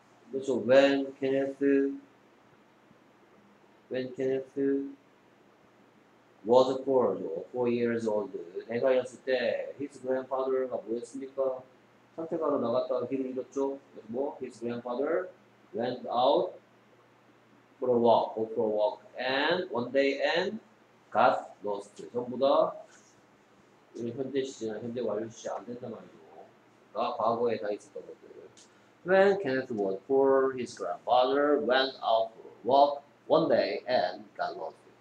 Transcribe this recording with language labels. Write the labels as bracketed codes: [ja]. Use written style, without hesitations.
[ko] 그래서 [en] when Kenneth was 4 years old. [ko] 애가 이랬을 때 [en] his grandfather [ko] 가 뭐였습니까? 산책하러 나갔다가 길을 잃었죠. 그래서 뭐 [en] his grandfather went out for a walk, go for a walk, and one day and got lost. [ko] 전부 다 현재 시제나 현재 완료 시제 안 된단 말이죠. 다 과거에 다 있었던 것들. [en] When Kenneth was four, his grandfather went out for a walk one day and got lost.